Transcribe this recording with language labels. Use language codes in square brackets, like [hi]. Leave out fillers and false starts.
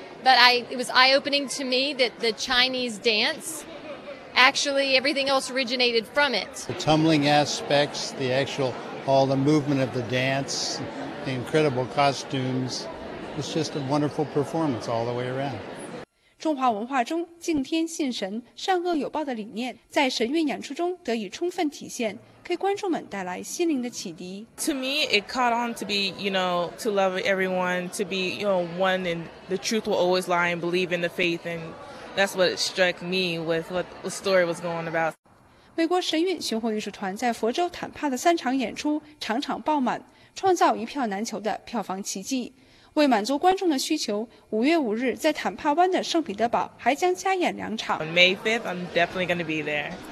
[en] But it was eye-opening to me that the Chinese dance, actually everything else originated from it. The tumbling aspects, the actual, all the movement of the dance, the incredible costumes. It's just a wonderful performance all the way around. [zh] 中华文化中敬天信神、善恶有报的理念在神韵演出中得以充分体现，给观众们带来心灵的启迪。 [en] To me, it caught on to be, you know, to love everyone, to be, you know, one, and the truth will always lie, and believe in the faith, and that's what struck me with what the story was going about. [zh] 美国神韵巡回艺术团在佛州坦帕的三场演出场场爆满，创造一票难求的票房奇迹。为满足观众的需求，五月五日在坦帕湾的圣彼得堡还将加演两场。 [en] On May 5th, I'm definitely going to be there.